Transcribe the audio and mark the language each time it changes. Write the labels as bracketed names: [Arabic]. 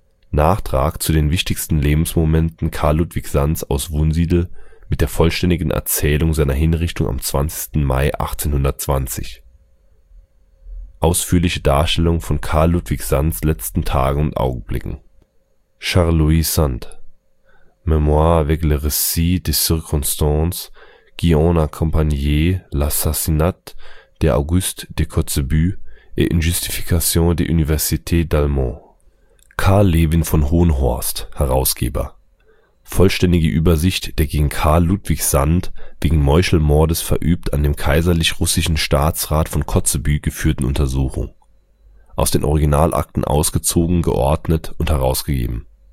[German] Nachtrag zu den wichtigsten Lebensmomenten Karl Ludwig Sands aus Wunsiedel mit der vollständigen Erzählung seiner Hinrichtung am 20. Mai 1820. Ausführliche Darstellung von Karl Ludwig Sands letzten Tagen und Augenblicken. [French] Charles-Louis Sand. Mémoire avec le récit des circonstances Guillaume accompagné l'assassinat d'Auguste de Kotzebue et une justification de l'Université d'Allemagne. [German] Karl Levin von Hohenhorst, Herausgeber. Vollständige Übersicht der gegen Karl Ludwig Sand wegen Meuchelmordes verübt an dem kaiserlich-russischen Staatsrat von Kotzebue geführten Untersuchung. Aus den Originalakten ausgezogen, geordnet und herausgegeben.